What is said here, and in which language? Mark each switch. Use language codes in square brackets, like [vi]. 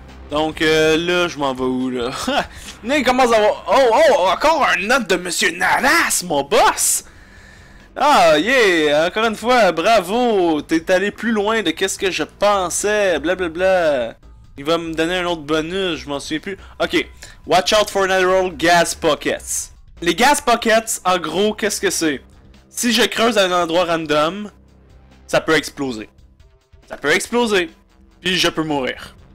[fr] Donc, là, je m'en vais où, là? Là, il commence à avoir... Oh, oh! Encore un note de Monsieur Naras, mon boss! Ah, yeah! Encore une fois, bravo! T'es allé plus loin de qu'est-ce que je pensais, blablabla! Il va me donner un autre bonus, je m'en souviens plus. [en] Ok, watch out for natural gas pockets. [fr] Les gas pockets, en gros, qu'est-ce que c'est? Si je creuse à un endroit random, ça peut exploser. Ça peut exploser. Puis je peux mourir.